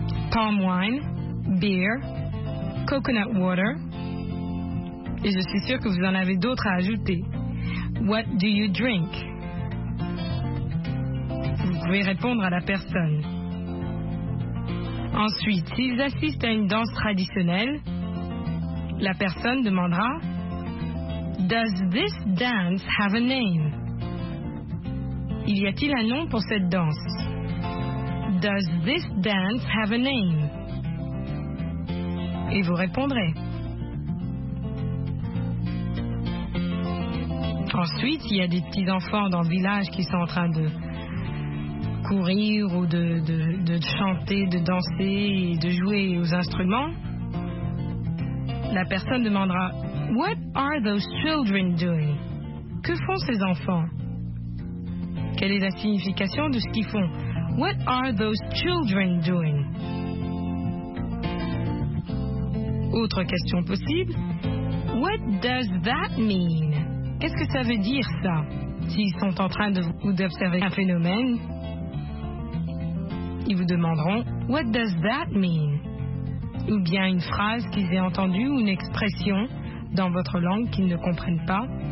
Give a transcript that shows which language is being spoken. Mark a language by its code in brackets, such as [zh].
[en] Palm wine, beer, coconut water. [fr] Et je suis sûre que vous en avez d'autres à ajouter. [en] What do you drink? [fr] Vous pouvez répondre à la personne. Ensuite, s'ils assistent à une danse traditionnelle, la personne demandera [en] Does this dance have a name? [fr] Y a-t-il un nom pour cette danse? [en] Does this dance have a name? [fr] Et vous répondrez. Ensuite, il y a des petits-enfants dans le village qui sont en train de courir ou de chanter, de danser et de jouer aux instruments. La personne demandera, [en] What are those children doing? [fr] Que font ces enfants? Quelle est la signification de ce qu'ils font? [en] What are those children doing? [fr] Autre question possible, [en] What does that mean? [fr] Qu'est-ce que ça veut dire, ça, s'ils sont en train de vous observer un phénomène? Ils vous demanderont, [en] What does that mean? [fr] Ou bien une phrase qu'ils aient entendue ou une expression dans votre langue qu'ils ne comprennent pas.